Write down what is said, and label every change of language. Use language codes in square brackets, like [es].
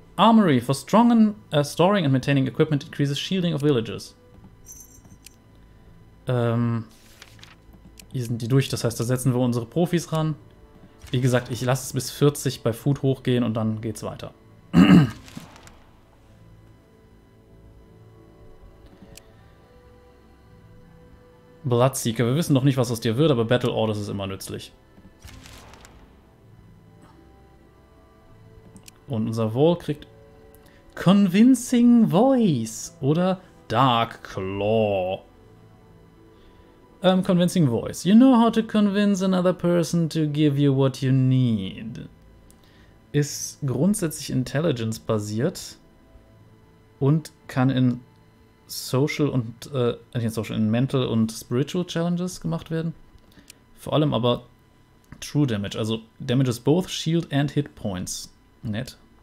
[en] Armory for strong and, storing and maintaining equipment increases shielding of villages. [de] Hier sind die durch, das heißt, da setzen wir unsere Profis ran. Wie gesagt, ich lasse es bis 40 bei Food hochgehen und dann geht's weiter. Bloodseeker, wir wissen noch nicht, was aus dir wird, aber Battle Orders ist immer nützlich. Und unser Wall kriegt Convincing Voice oder Dark Claw. [en] Convincing Voice. You know how to convince another person to give you what you need. [de] Ist grundsätzlich Intelligence basiert und kann in Social und nicht Social, in Mental und Spiritual Challenges gemacht werden. Vor allem aber True Damage, also [en] Damages both Shield and Hit Points. [de] Nett.